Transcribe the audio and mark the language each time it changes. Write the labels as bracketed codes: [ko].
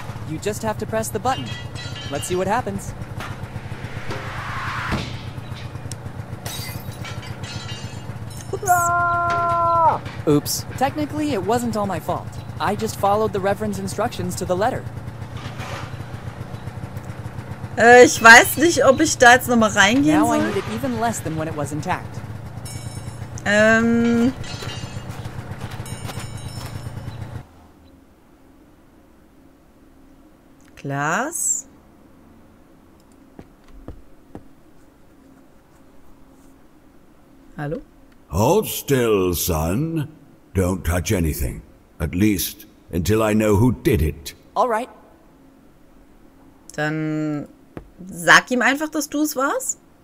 [en] You just have to press the button. Let's see what happens. Oops. Ah! Oops. Technically, it wasn't all my fault. I just followed the Reverend's instructions to the letter. [de] Ich weiß nicht, ob ich da jetzt nochmal reingehen [en] now [de] soll. [en] Now I need it even less than when it was intact. [de] Glas. Hallo? [en] Hold still, son. Don't touch anything. At least until I know who did it. All right. [de] Dann sag ihm einfach, dass du es warst.